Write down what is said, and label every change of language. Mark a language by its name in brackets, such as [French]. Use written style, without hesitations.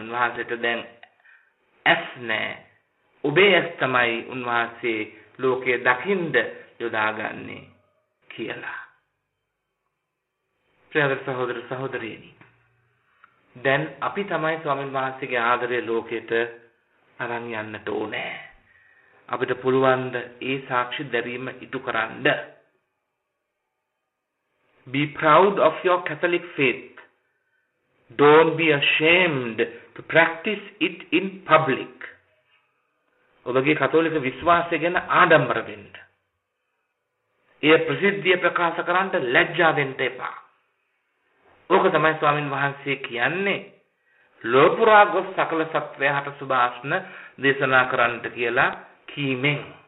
[Sinhala] උන්වහන්සේට දැන් ඇස් නැහැ. ඔබේ ඇස් තමයි උන්වහන්සේ ලෝකයේ දකින්ද යොදාගන්නේ කියලා. ප්‍රියතර සහෝදර සහෝදරියනි, දැන් අපි තමයි ස්වාමීන් වහන්සේගේ ආදරය ලෝකයට අරන් යන්නට ඕනේ. අපිට පුළුවන් ද ඒ සාක්ෂි දැරීම ඉටු කරන්න. [English] Be proud of your Catholic faith. Don't be ashamed to practice it in public. [Sinhala] ඔබගේ කතෝලික විශ්වාසය ගැන ආඩම්බර වෙන්න. එය ප්‍රසිද්ධිය ප්‍රකාශ කරන්න ලැජ්ජා වෙන්න එපා. ඕක තමයි ස්වාමින් වහන්සේ කියන්නේ ලෝපුරා ගොස් සකල සත්ත්වයාට සුභාෂණ දේශනා කරන්න කියලා කීමෙන්.